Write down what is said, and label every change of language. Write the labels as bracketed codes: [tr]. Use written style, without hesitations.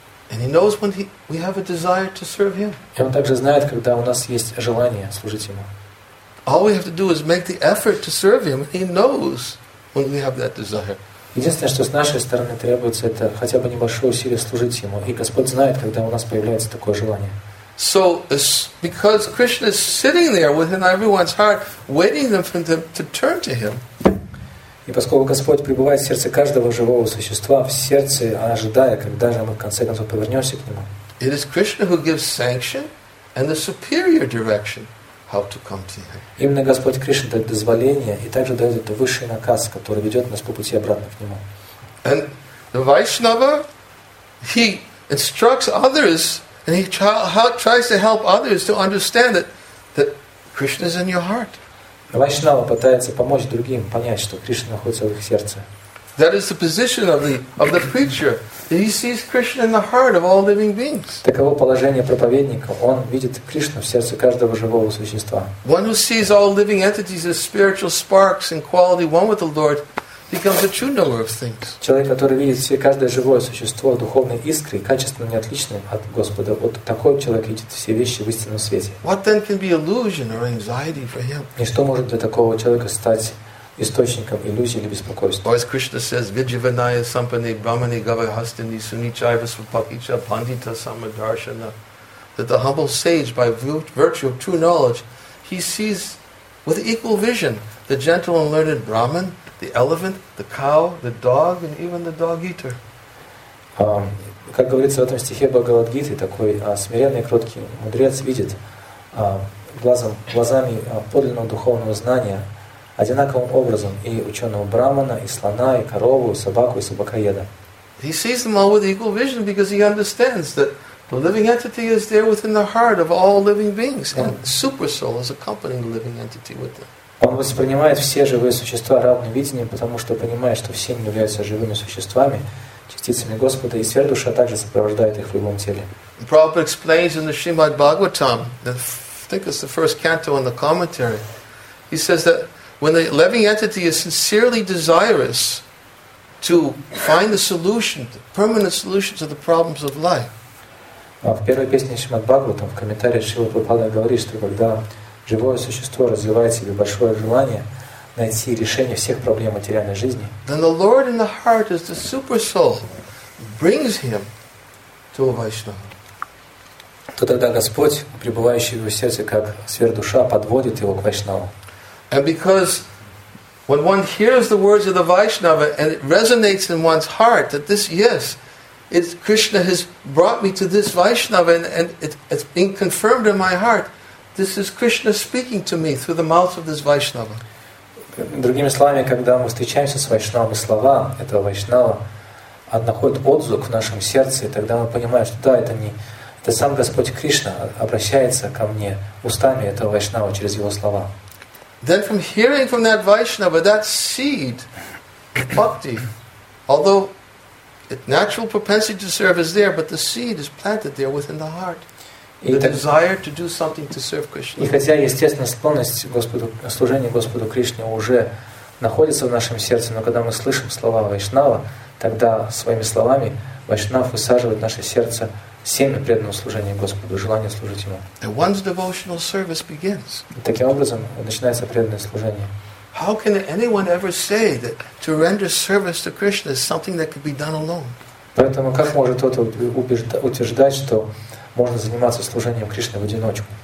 [en] And he knows when we have a desire to serve him. [ru] И он также знает, когда у нас есть желание служить ему. [en] All we have to do is make the effort to serve him. He knows when we have that desire. [ru] Единственное, что с нашей стороны требуется, это хотя бы небольшое усилие служить ему. И Господь знает, когда у нас появляется такое желание. [en] So, because Krishna is sitting there within everyone's heart, waiting for them to turn to him. [ru] И поскольку Господь пребывает в сердце каждого живого существа, в сердце, ожидая, когда же мы в конце концов повернемся к нему. [en] It is Krishna who gives sanction and the superior direction how to come to him. [ru] Именно Господь Кришна дает дозволение и также дает этот высший наказ, который ведет нас по пути обратно к нему. [en] And the Vaishnava, he instructs others. And he tries to help others to understand that Krishna is in your heart. [ru] Vaishnava пытается помочь другим понять, что Кришна находится в их сердце. [en] That is the position of the preacher. That he sees Krishna in the heart of all living beings. [ru] Таково положение проповедника. Он видит Кришну в сердце каждого живого существа. [en] One who sees all living entities as spiritual sparks and quality one with the Lord becomes a true knower of things. [ru] Человек, который видит все каждое живое существо духовной искрой, качественно отличным от Господа, вот такой человек видит все вещи в истинном свете. [en] What then can be illusion or anxiety for him? [ru] И что может для такого человека стать источником иллюзии или беспокойства? [en] Or as Krishna says, [sa] Vijivanaya sampani brahmani gavahastini sunichaiva svapakicha pandita samadarshana, [en] that the humble sage, by virtue of true knowledge, he sees with equal vision the gentle and learned brahman, the elephant, the cow, the dog, and even the dog-eater. [ru] Как говорится в этом стихе Бхагавад-гиты, такой смиренный, кроткий мудрец видит глазами подлинного духовного знания одинаковым образом и ученого брахмана, и слона, и корову, и собаку, и собакоеда. [en] He sees them all with equal vision because he understands that the living entity is there within the heart of all living beings, and super soul is accompanying the living entity with them. [ru] Он воспринимает все живые существа равным видением, потому что понимает, что все они являются живыми существами, частицами Господа, и сверхдуша также сопровождает их в любом теле. [en] Prabhupada explains in the Srimad Bhagavatam, I think it's the first canto in the commentary, he says that when the living entity is sincerely desirous to find the solution, the permanent solution to the problems of life. [ru] В первой песне Шримад Бхагаватам, в комментарии Шрила Прабхупада говорит, что когда живое существо развивает в себе большое желание найти решение всех проблем материальной жизни. [en] Then the Lord in the heart is the super soul, brings him to a Vaishnava. [ru] То тогда Господь, пребывающий в его сердце как сверхдуша, подводит его к Вайшнаву. [en] And because when one hears the words of the Vaishnava and it resonates in one's heart that this yes, it's Krishna has brought me to this Vaishnava and it's been confirmed in my heart. This is Krishna speaking to me through the mouth of this Vaishnava. [ru] Другими словами, когда мы встречаемся с Вайшнавой, слова этого Вайшнава находят отзвук в нашем сердце, и тогда мы понимаем, что да, это сам Господь Кришна обращается ко мне устами этого Вайшнава через его слова. [en] Then from hearing from that Vaishnava, that seed, bhakti, although natural propensity to serve is there, but the seed is planted there within the heart. The desire to do something to serve Krishna. [ru] И хотя естественно склонность Господу, служение Господу Кришне уже находится в нашем сердце, но когда мы слышим слова Вайшнава, тогда своими словами Вайшнав высаживает в наше сердце семя преданного служения Господу, желание служить Ему. [en] And one's devotional service begins. [ru] Таким образом начинается преданное служение. [en] How can anyone ever say that to render service to Krishna is something that could be done alone? [ru] Поэтому как может кто-то утверждать, что можно заниматься служением Кришне в одиночку?